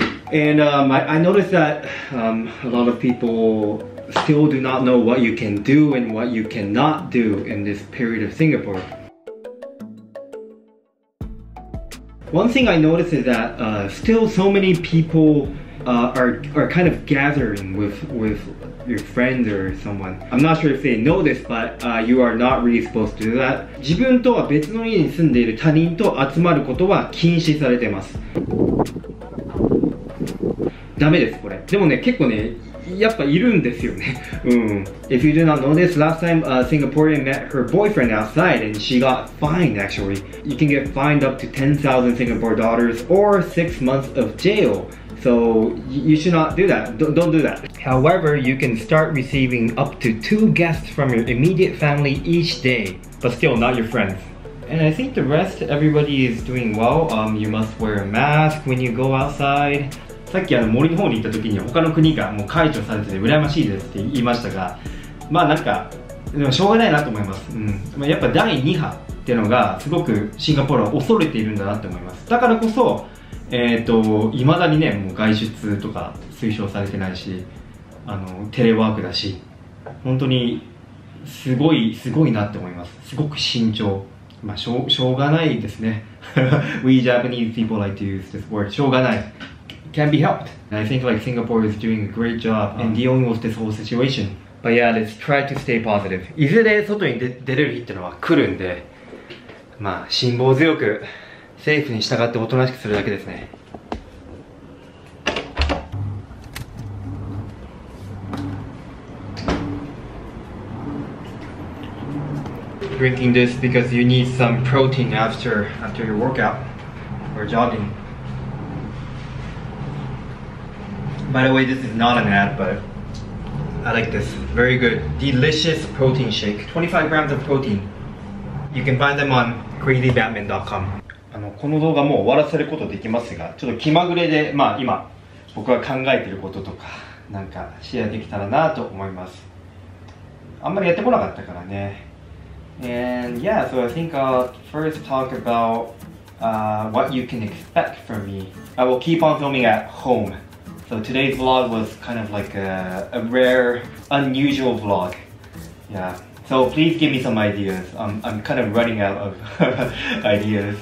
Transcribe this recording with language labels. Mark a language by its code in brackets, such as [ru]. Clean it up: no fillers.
[en] And I noticed that a lot of people still do not know what you can do and what you cannot do in this period of Singapore. One thing I noticed is that still so many people are kind of gathering with your friend or someone. I'm not sure if they know this, but you are not really supposed to do that. [ja] 自分とは別の家に住んでいる他人と集まることは禁止されてます。ダメですこれ。でもね、結構ね、やっぱいるんですよね。うん。 [en] If you do not know this, last time a Singaporean met her boyfriend outside and she got fined actually. You can get fined up to 10,000 Singapore dollars or 6 months of jail. So you should not do that. Don't do that. However, you can start receiving up to 2 guests from your immediate family each day. But still, not your friends. And I think the rest, everybody is doing well. You must wear a mask when you go outside. [ja] さっき森の方に行った時に他の国がもう解除されてて羨ましいですって言いましたが、まあなんかでもしょうがないなと思います。うん。まあ、やっぱ第2波っていうのがすごくシンガポールは恐れているんだなって思います。だからこそ、いまだにね、もう外出とか推奨されてないし、テレワークだし、本当にすごい、すごいなって思います。すごく慎重。まあ、しょうがないですね。 [en] We Japanese people like to use this word. [ja] しょうがない。 [en] Can't be helped. I think like Singapore is doing a great job in dealing with this whole situation. But yeah, let's try to stay positive. [ja] いずれ外に出れる日ってのは来るんで、まあ、辛抱強く。政府に従っておとなしくするだけですね。 [en] Drinking this because you need some protein after your workout or jogging. By the way, this is not an ad, but I like this. Very good. Delicious protein shake. 25 grams of protein. You can find them on crazybatman.com. [ja] この動画もう終わらせることできますが、ちょっと気まぐれで、まあ今、僕が考えてることとか、なんかシェアできたらなと思います。あんまりやってこなかったからね。 [en] And yeah, so I think I'll first talk about what you can expect from me. I will keep on filming at home. So today's vlog was kind of like a rare, unusual vlog. Yeah. So please give me some ideas. I'm kind of running out of ideas.